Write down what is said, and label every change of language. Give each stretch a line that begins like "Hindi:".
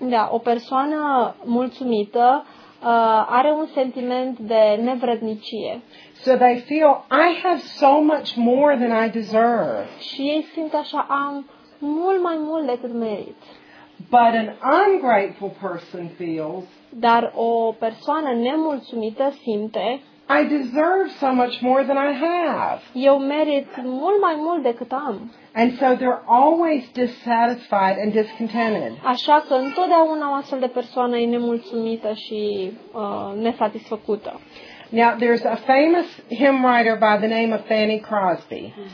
Romanian: O persoană mulțumită are un sentiment de nevrednicie.
English: So they feel I have so much more than I deserve.
Romanian: Și ei simt așa, am mult mai mult decât merit.
English: But an ungrateful person feels.
Romanian: Dar o persoană nemulțumită simte.
English: I deserve so much more than I have.
Romanian: Eu merit mult mai mult decât am.
English: And so they're always dissatisfied and discontented.
Romanian: Așa că întotdeauna o astfel de persoană e nemulțumită și nesatisfăcută.
English: Now there's a famous hymn writer by the name of Fanny Crosby.